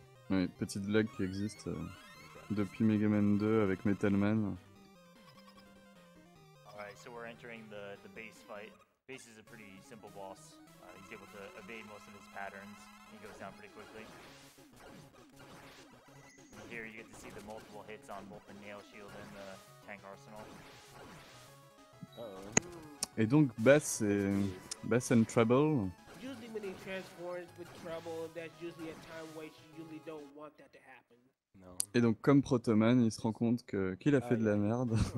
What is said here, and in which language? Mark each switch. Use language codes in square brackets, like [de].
[fr] Oui, petite blague qui existe depuis Mega Man 2 avec Metal Man. [en] Alright, so we're entering the base fight. Base is a pretty simple boss. He's able to evade most of his patterns. He goes down pretty quickly. Here you get to see the multiple hits on both the nail shield and the tank arsenal. [fr] Et donc Bass est... [en] Bass and Trouble. Usually when he transforms with trouble, that's usually a time waste. You usually don't want that to happen. No. [fr] Et donc comme Protoman, il se rend compte que qu'il a fait de la merde.